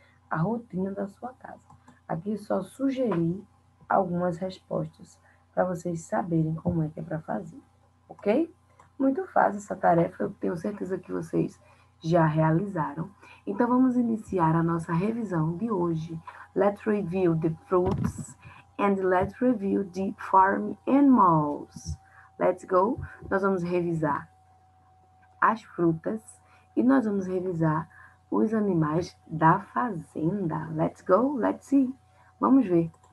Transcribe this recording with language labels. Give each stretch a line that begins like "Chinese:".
Portuguese: A rotina da sua casa. Aqui só sugeri algumas respostas para vocês saberem como é que é para fazer, ok? Muito fácil essa tarefa, eu tenho certeza que vocês já realizaram. Então vamos iniciar a nossa revisão de hoje.
English: Let's review the fruits and let's review the farm animals. Let's go!
Portuguese: Nós vamos revisar as frutas e nós vamos revisar os animais da fazenda.
English: Let's go, let's see.
Portuguese: Vamos ver.